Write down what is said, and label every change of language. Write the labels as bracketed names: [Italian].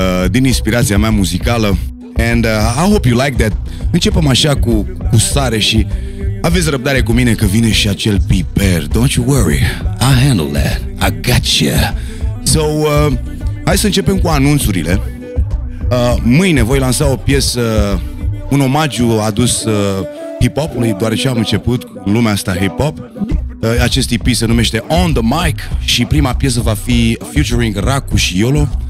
[Romanian] Din inspirația mea muzicală. [English] And I hope you like that. [Romanian] Începem așa cu sare și aveți răbdare cu mine că vine și acel piper. [English] Don't you worry, I handle that, I gotcha. [Romanian] So, hai să începem cu anunțurile. Mâine voi lansa o piesă, un omagiu adus hip-hopului, deoarece am început cu lumea asta hip-hop. Acest EP se numește On The Mic și prima piesă va fi featuring Racu și YOLO.